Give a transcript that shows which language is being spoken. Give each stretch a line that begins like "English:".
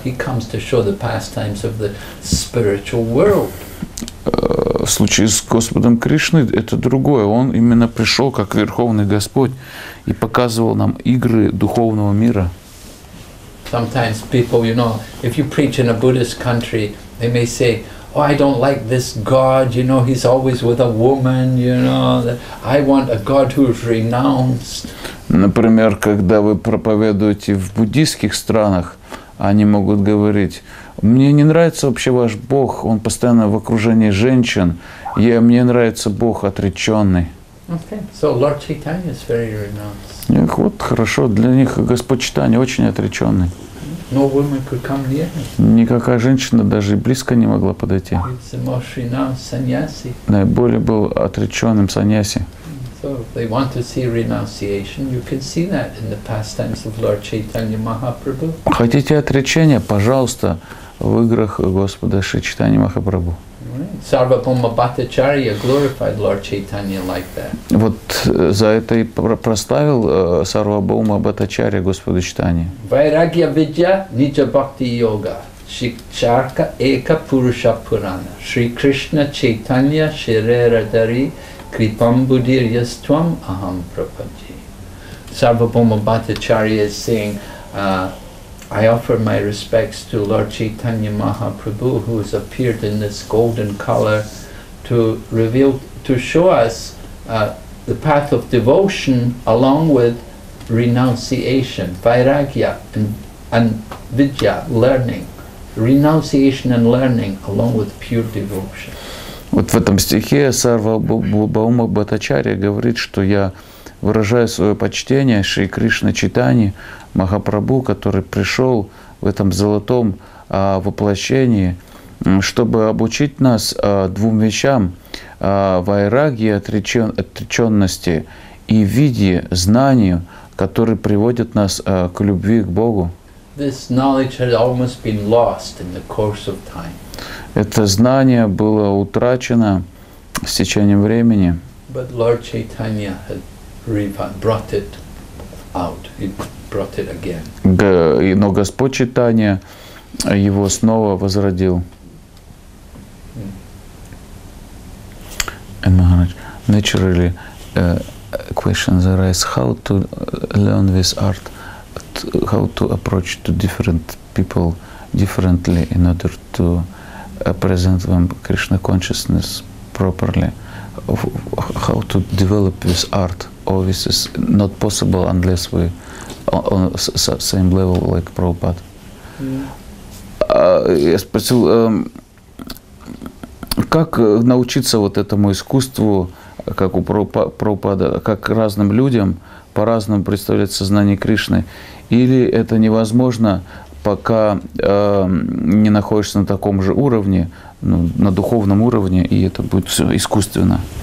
English: He comes to show the pastimes of the spiritual world.
Russian: В случае с Господом Кришной это другое. Он именно пришел как Верховный Господь и показывал нам игры духовного мира.
English: Sometimes people, you know, if you preach in a Buddhist country, they may say, oh, I don't like this God, you know, he's always with a woman, you know, I want a God who is renounced.
Russian: Например, когда вы проповедуете в буддийских странах, они могут говорить, мне не нравится вообще ваш Бог, он постоянно в окружении женщин, мне нравится Бог отреченный.
English: Okay. So Lord Chaitanya is very renounced.
Russian: Так вот, хорошо, для них Господь Чайтанья очень отреченный.
English: No woman could come near him.
Russian: Никакая женщина даже близко не могла подойти.
English: He's the most renowned sannyasi.
Russian: Наиболее был отреченным саньяси.
English: So if they want to see renunciation, you can see that in the pastimes of Lord Chaitanya Mahaprabhu.
Russian: Хотите отречения? Пожалуйста, в играх Господа Шри Чайтанья Махапрабху.
English: Sarvabhauma Bhattacharya glorified Lord Chaitanya like that.
Russian: Вот за это и прославил Sarvabhauma Bhattacharya Господа Чайтанья.
Sanskrit: Vairagya Vidya Nija Bhakti Yoga Shikshaka Eka Purusha Purana Shri Krishna Chaitanya Shirera Dari Kripambudir Yastvam Aham Prapaji.
English: Sarvabhauma Bhattacharya is saying, I offer my respects to Lord Chaitanya Mahaprabhu, who has appeared in this golden color to reveal, to show us the path of devotion along with renunciation, vairagya, and vidya, learning. Renunciation and learning along with pure devotion.
Russian: Вот в этом стихе Sarvabhauma Bhattacharya говорит, что я выражаю свое почтение Шри Кришна Чайтанье Махапрабху, который пришел в этом золотом воплощении, чтобы обучить нас двум вещам: вайрагья, отреченности, и виде, знанию, которые приводят нас к любви к Богу.
English: This knowledge had almost been lost in the course of time.
Russian: Это знание было утрачено с течением времени.
English: But Lord Chaitanya had brought it out. It brought it again.
Russian: Но Господь Чайтанья его снова возродил.
English: Naturally, questions arise: how to learn this art, how to approach to different people differently in order to present them Krishna consciousness properly. How to develop this art? Oh, this is not possible unless we on same level like Prabhupada.
Russian: Я спросил, как научиться вот этому искусству, как у Прабхупады, как разным людям по-разному представлять сознание Кришны? Или это невозможно, пока не находишься на таком же уровне, ну, на духовном уровне, и это будет все искусственно?